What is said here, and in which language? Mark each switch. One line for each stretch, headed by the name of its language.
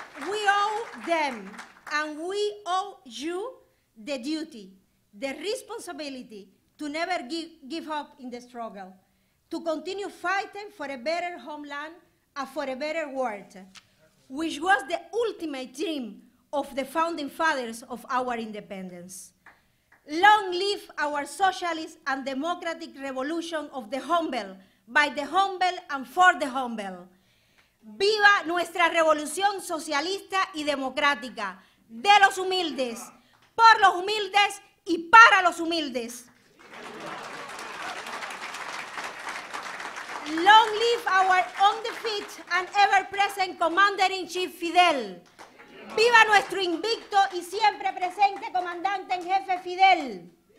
English: We owe them, and we owe you the duty, the responsibility to never give up in the struggle, to continue fighting for a better homeland and for a better world. which was the ultimate dream of the founding fathers of our independence. Long live our socialist and democratic revolution of the humble, by the humble and for the humble.
Spanish: Viva nuestra revolución socialista y democrática, de los humildes, por los humildes y para los humildes.
English: Long live our undefeated and ever-present Commander-in-Chief Fidel.
Spanish: Viva nuestro invicto y siempre presente Comandante en Jefe Fidel.